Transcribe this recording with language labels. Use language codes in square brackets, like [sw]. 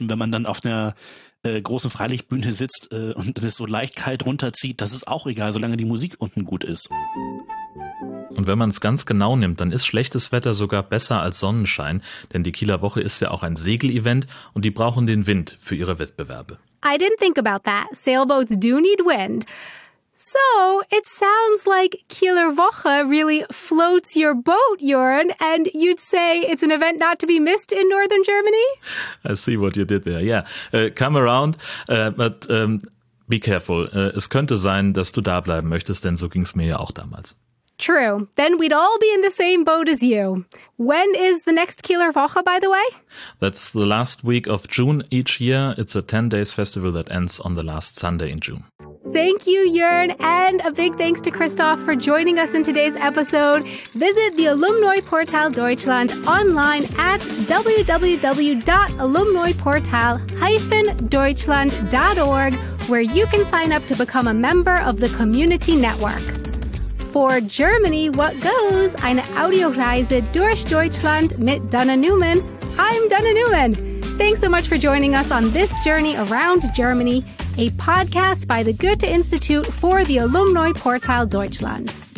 [de] Und wenn man dann auf einer großen Freilichtbühne sitzt und es so leicht kalt runterzieht, das ist auch egal, solange die Musik unten gut ist. Und wenn man es ganz genau nimmt, dann ist schlechtes Wetter sogar besser als Sonnenschein, denn die Kieler Woche ist ja auch ein Segel-Event und die brauchen den Wind für ihre Wettbewerbe. [en] I didn't think about that. Sailboats do need wind. So, it sounds like Kieler Woche really floats your boat, Jörn, and you'd say it's an event not to be missed in northern Germany? I see what you did there, yeah. Come around, but be careful. [de] Es könnte sein, dass du da bleiben möchtest, denn so ging es mir ja auch damals. [en] True. Then we'd all be in the same boat as you. When is the next Kieler Woche, by the way? That's the last week of June each year. It's a 10-day festival that ends on the last Sunday in June. Thank you, Jörn, and a big thanks to Christoph for joining us in today's episode. Visit the Alumni Portal Deutschland online at www.alumniportal-deutschland.org, where you can sign up to become a member of the community network. For Germany, what goes? [de] Eine Audioreise durch Deutschland mit Dana Newman. [en] I'm Dana Newman. Thanks so much for joining us on this journey around Germany, a podcast by the Goethe-Institut for the Alumni Portal Deutschland.